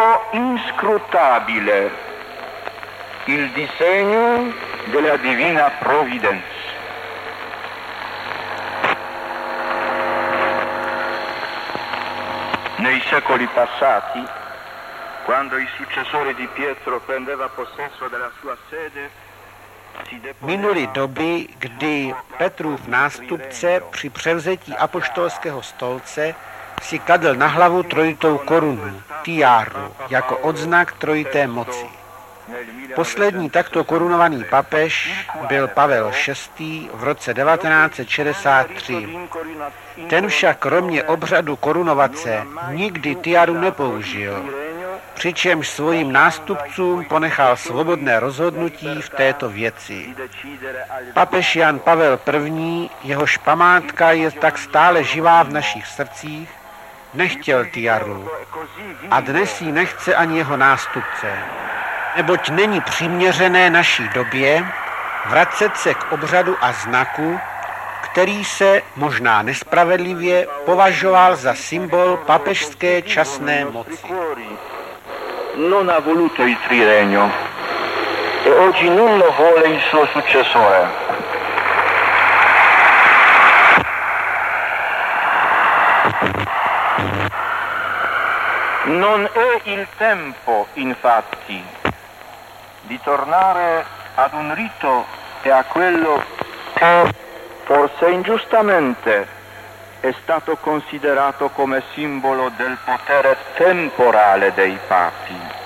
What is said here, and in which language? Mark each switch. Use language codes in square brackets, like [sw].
[it] Inscrutabile il disegno della divina provvidenza. Nei secoli passati, quando il successore di Pietro prendeva possesso della sua sede, [cs] minulé doby, kdy Petrův nástupce při převzetí apoštolského stolce si kladl na hlavu trojitou korunu, tiáru, jako odznak trojité moci. Poslední takto korunovaný papež byl Pavel VI. V roce 1963. Ten však kromě obřadu korunovace nikdy tiáru nepoužil, přičemž svým nástupcům ponechal svobodné rozhodnutí v této věci. Papež Jan Pavel I., jehož památka je tak stále živá v našich srdcích, nechtěl tiaru a dnes ji nechce ani jeho nástupce, neboť není přiměřené naší době vracet se k obřadu a znaku, který se možná nespravedlivě považoval za symbol papežské časné moci. [it] Non ha voluto il trirenio e oggi non lo vuole il suo successore. Non è il tempo, infatti, di tornare ad un rito e a quello che forse ingiustamente è stato considerato come simbolo del potere temporale dei papi.